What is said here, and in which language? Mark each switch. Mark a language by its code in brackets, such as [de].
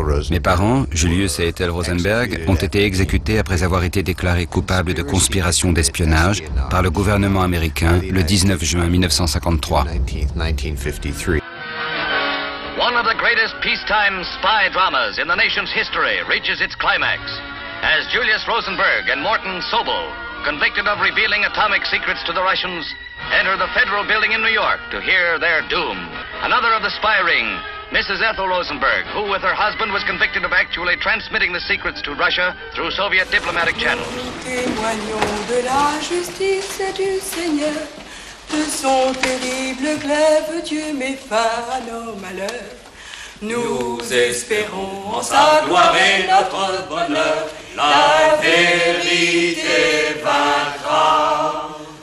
[fr] Mes parents, Julius et Ethel Rosenberg, ont été exécutés après avoir été déclarés coupables de conspiration d'espionnage par le gouvernement américain le 19 juin 1953. [en] One of the greatest peacetime spy dramas in the nation's history reaches its climax as Julius Rosenberg and Morton Sobel, convicted of revealing atomic secrets to the Russians, enter the Federal Building in New York to hear their doom. Another of the spy ring, Mrs. Ethel Rosenberg, who with her husband was convicted of actually transmitting the secrets to Russia through Soviet diplomatic channels. [fr] Nous témoignons de la justice du Seigneur, de son terrible glaive Dieu met fin à nos malheurs. Nous espérons en sa gloire et notre bonheur, la vérité vaincra.